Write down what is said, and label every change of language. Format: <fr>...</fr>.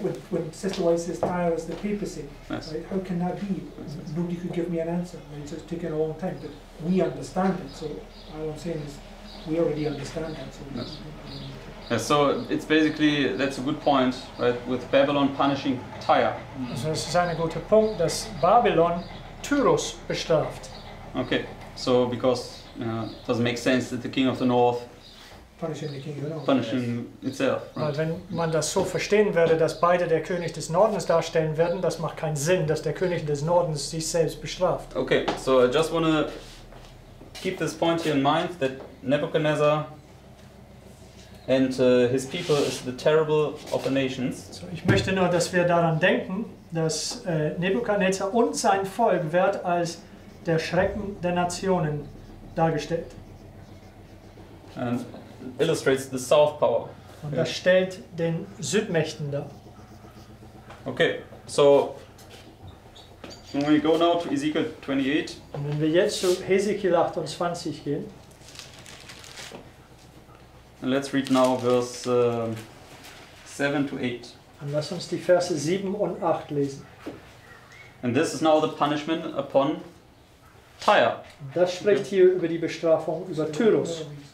<en>When Sister White says Tyre is the papacy. Yes. Right? How can that be? Yes. Nobody could give me an answer. I mean, it's taken a long time, but we understand it. So all I'm saying is, we already understand that. So yes. Yeah, so it's basically, that's a good point, right, with Babylon punishing Tyre.</en> <de>Also es ist ein guter Punkt, dass Babylon Tyrus bestraft.</de> <en>Okay, so because it doesn't make sense that the king of the north punishing the king of the north. Punishing itself, right?</en> <de>Weil wenn man das so verstehen würde, dass beide der König des Nordens darstellen werden, das macht keinen Sinn, dass der König des Nordens sich selbst bestraft.</de> <en>Okay, so I just want to keep this point here in mind, that Nebuchadnezzar and his people is the terrible of the nations.</en> <de>So ich möchte nur, dass wir daran denken, dass Nebuchadnezzar und sein Volk wird als der Schrecken der Nationen dargestellt.</de> <en>And illustrates the south power.</en> <de>Und das stellt den Südmächten dar.</de> <en>Okay, so when we go now to Ezekiel 28.</en> <de>Und wenn wir jetzt zu Hesekiel 28 gehen.</de> <en>And let's read now verse 7 to 8.</en> <de>Und lass uns die Verse 7 und 8 lesen.</de> <en>And this is now the punishment upon Tyre.</en> <de>Das spricht hier über die Bestrafung über Tyrus.</de>